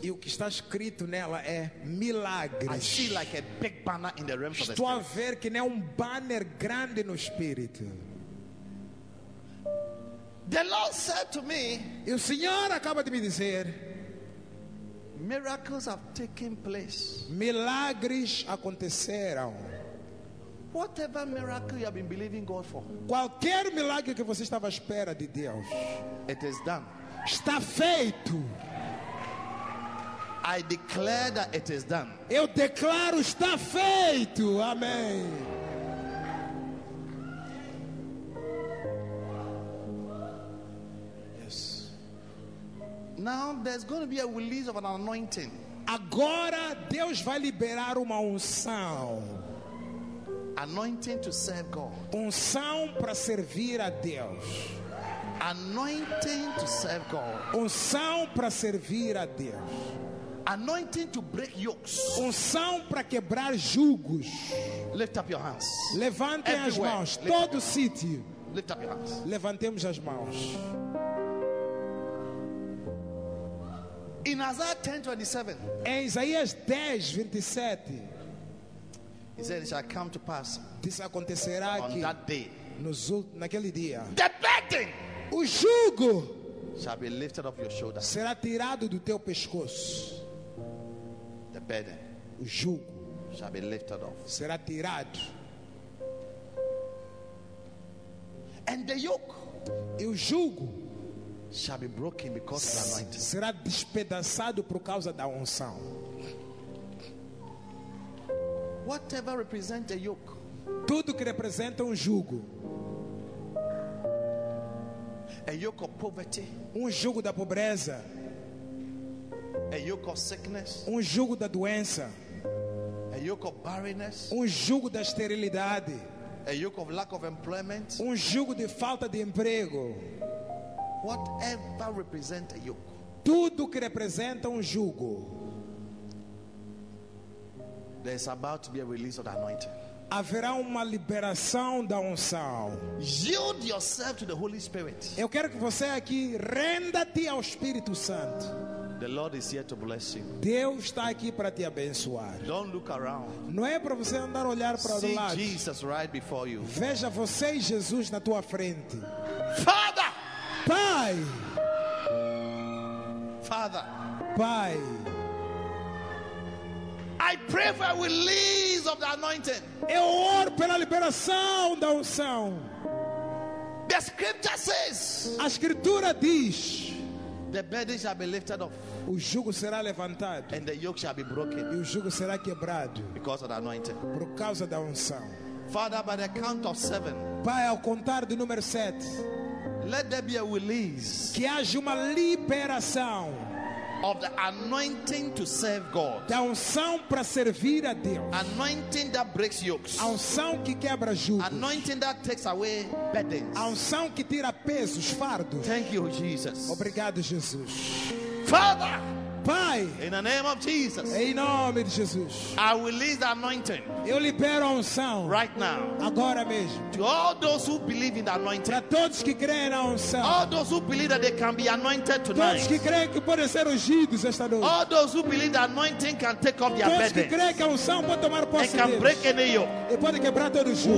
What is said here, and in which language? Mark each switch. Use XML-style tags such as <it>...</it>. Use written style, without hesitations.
<pt>E o que está escrito nela é milagres.</pt> <en>I see like a big banner in the realm of the</en> <pt>Estou a ver que nem um banner grande no espírito.</pt> <en>The Lord said to me,</en> <pt>e o Senhor acaba de me dizer,</pt> <en>miracles have taken place.</en> <pt>Milagres aconteceram.</pt> <en>Whatever miracle you have been believing God for.</en> <pt>Qualquer milagre que você estava à espera de Deus.</pt> <en>It is done.</en> <pt>Está feito.</pt> <en>I declare that it is done.</en> <pt>Eu declaro está feito. Amém.</pt> <en>Now there's going to be a release of an anointing.</en> <pt>Agora Deus vai liberar uma unção.</pt> <en>Anointing to serve God.</en> <pt>Unção para servir a Deus.</pt> <en>Anointing to serve God.</en> <pt>Unção para servir a Deus.</pt> <en>Anointing to break yokes.</en> <pt>Unção para quebrar jugos.</pt> <en>Lift up your hands.</en> <pt>Levantem</pt> <en>Everywhere.</en> <pt>As mãos.</pt> <en>Lift</en> <pt>todo o sítio.</pt> <en>Lift up your hands.</en> <pt>Levantemos as mãos.</pt> <en>In Isaiah 10:27.</en> <pt>Em Isaías 10:27.</pt> <en>He said it shall come to pass.</en> <pt>Diz acontecerá que</pt> <en>on that day,</en> <pt>naquele dia,</pt> <en>the burden,</en> <pt>o jugo,</pt> <en>shall be lifted off your shoulder.</en> <pt>Será tirado do teu pescoço.</pt> <en>The burden,</en> <pt>o jugo,</pt> <en>shall be lifted off.</en> <pt>Será tirado.</pt> <en>And the yoke,</en> <pt>e o jugo,</pt> <en>shall be broken because of the anointing.</en> <pt>Será despedaçado por causa da unção.</pt> <en>Whatever represents a yoke.</en> <pt>Tudo que representa jugo.</pt> <en>A yoke of poverty.</en> <pt>Jugo da pobreza.</pt> <en>A yoke of sickness.</en> <pt>Jugo da doença.</pt> <en>A yoke of barrenness.</en> <pt>Jugo da esterilidade.</pt> <en>A yoke of lack of employment.</en> <pt>Jugo de falta de emprego.</pt> <en>Whatever represents a yoke.</en> <pt>Tudo que representa jugo.</pt> <en>There is about to be a release of the anointing.</en> <pt>Haverá uma liberação da unção.</pt> <en>Yield yourself to the Holy Spirit.</en> <pt>Eu quero que você aqui renda-te ao Espírito Santo.</pt> <en>The Lord is here to bless you.</en> <pt>Deus está aqui para te abençoar.</pt> <en>Don't look around.</en> <pt>Não é para você andar a olhar para o lado.</pt> <en>See Jesus right before you.</en> <pt>Veja você e Jesus na tua frente.</pt> <en>Father.</en> <pt>Pai.</pt> <en>Father.</en> <pt>Pai.</pt> <en>I pray for a release of the anointing.</en> <pt>Eu oro pela liberação da unção.</pt> <en>The scripture says.</en> <pt>A escritura diz.</pt> <en>The burden shall be lifted off.</en> <pt>O jugo será levantado.</pt> <en>And the yoke shall be broken.</en> <pt>E o jugo será quebrado.</pt> <en>Because of the anointing.</en> <pt>Por causa da unção.</pt> <en>Father, by the count of seven.</en> <pt>Pai, ao contar do número 7.</pt> <en>Let there be a release.</en> <pt>Que haja uma liberação.</pt> <en>of the anointing to serve God.</en> <pt>Da unção para servir a Deus.</pt> <en>Anointing that breaks yokes.</en> <pt>A unção que quebra jugos.</pt> <en>Anointing that takes away burdens.</en> <pt>A unção que tira pesos, fardos.</pt> <en>Thank you, Jesus.</en> <pt>Obrigado, Jesus.</pt> <en>Father,</en> <pt>Pai,</pt> <en>in the name of Jesus,</en> <pt>em nome de Jesus,</pt> <en>I release the anointing.</en> <pt>Eu libero a unção</pt> <en>right now,</en> <pt>agora mesmo,</pt> <en>to all those who believe in the anointing.</en> <pt>Para todos que creem na unção.</pt> <en>All those who believe that they can be anointed tonight.</en> <pt>Todos que creem que podem ser ungidos esta noite.</pt> <en>All those who believe the anointing can take off their burdens.</en> <pt>Todos que creem que a unção pode tomar posse deles.</pt> <en>And can break any yoke.</en> <pt>E pode quebrar todo jugo.</pt>